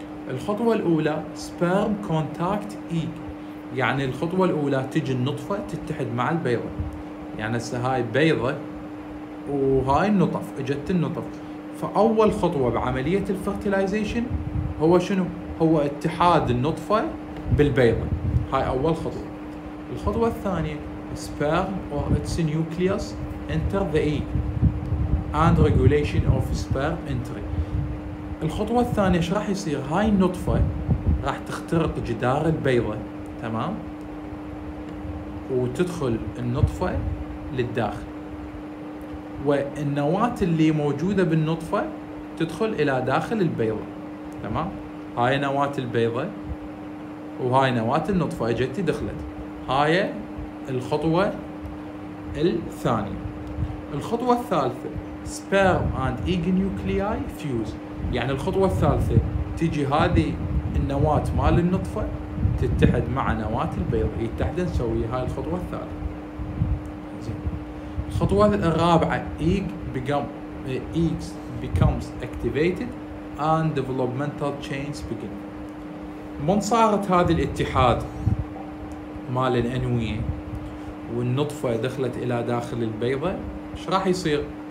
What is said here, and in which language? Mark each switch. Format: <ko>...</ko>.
<ar>الخطوة الأولى سبيرم كونتاكت إيج، يعني الخطوة الأولى تجي النطفة تتحد مع البيضة، يعني هسه هاي بيضة وهاي النطف اجت النطف، فأول خطوة بعملية الفيرتلايزيشن هو شنو؟ هو اتحاد النطفة بالبيضة، هاي أول خطوة. الخطوة الثانية</ar> <en>sperm or its nucleus enter the egg and regulation of sperm entry.</en> <ar>الخطوة الثانية ايش راح يصير؟ هاي النطفة راح تخترق جدار البيضة، تمام؟ وتدخل النطفة للداخل، والنواة اللي موجودة بالنطفة تدخل الى داخل البيضة، تمام؟ هاي نواة البيضة وهاي نواة النطفة اجت دخلت، هاي الخطوة الثانية. الخطوة الثالثة</ar> <en>sperm and egg nuclei fuse،</en> <ar>يعني الخطوة الثالثة تيجي هذه النواة مال النطفة تتحد مع نواة البيض يتحد نسوي هاي الخطوة الثالثة. الخطوة الرابعة</ar> <en>eggs becomes activated and developmental chains begin.</en> <ar>من صارت هذه الاتحاد مال الأنوية والنطفة دخلت إلى داخل البيضة إيش راح يصير؟</ar>